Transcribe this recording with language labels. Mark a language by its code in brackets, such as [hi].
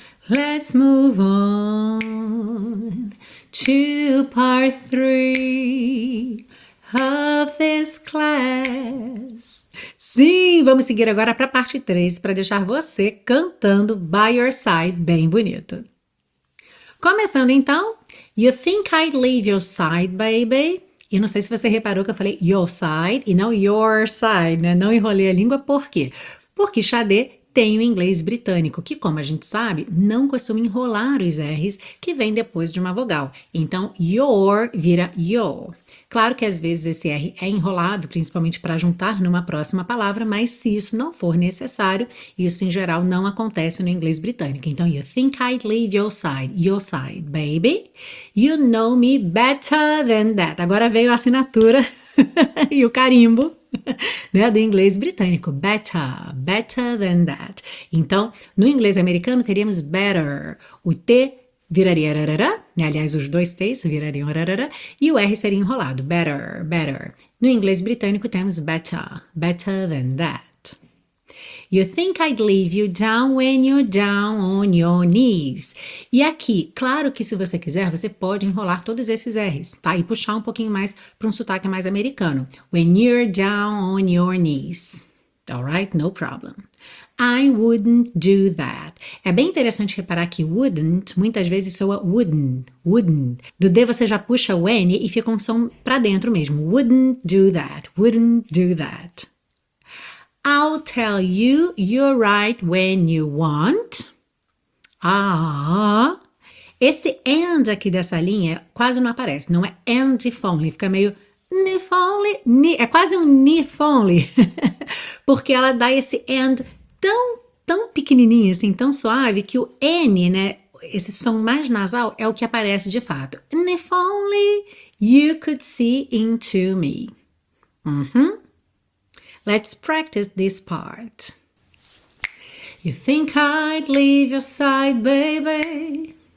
[en] Let's move on to part three of this class. [pt] Sim, vamos seguir agora para a parte 3 para deixar você cantando [en] by your side [pt] bem bonito. Começando então, [en] you think I'd leave your side, baby? [pt] Eu não sei se você reparou que eu falei [en] your side [pt] e não your side, né? Não enrolei a língua, por quê? Porque Xadê tem o inglês britânico, que como a gente sabe, não costuma enrolar os R's que vem depois de uma vogal. Então, your vira yo. Claro que às vezes esse R é enrolado, principalmente para juntar numa próxima palavra, mas se isso não for necessário, isso em geral não acontece no inglês britânico. [en] Então, you think I'd leave your side, baby. You know me better than that. [pt] Agora veio a assinatura e o carimbo, né, do inglês britânico. [en] Better, better than that. [pt] Então, no inglês americano teríamos better, o T viraria rarara, né? Aliás, os dois T's virariam rarara, e o R seria enrolado, better, better. No inglês britânico temos [en] better, better than that. You think I'd leave you down when you're down on your knees. [pt] E aqui, claro que se você quiser, você pode enrolar todos esses R's, tá? E puxar um pouquinho mais para um sotaque mais americano. [en] When you're down on your knees. Alright, no problem. I wouldn't do that. [pt] É bem interessante reparar que wouldn't muitas vezes soa wouldn't. Do D você já puxa o N e fica um som pra dentro mesmo. [en] Wouldn't do that. Wouldn't do that. I'll tell you you're right when you want. Ah. [pt] Esse and aqui dessa linha quase não aparece. Não é [en] and if only. [pt] Fica meio [en] if only. [pt] É quase um if only. Porque ela dá esse and tão pequenininho, assim, tão suave, que o N, né, esse som mais nasal, é o que aparece de fato. [en] And if only you could see into me. Uhum. Let's practice this part. You think I'd leave your side, baby?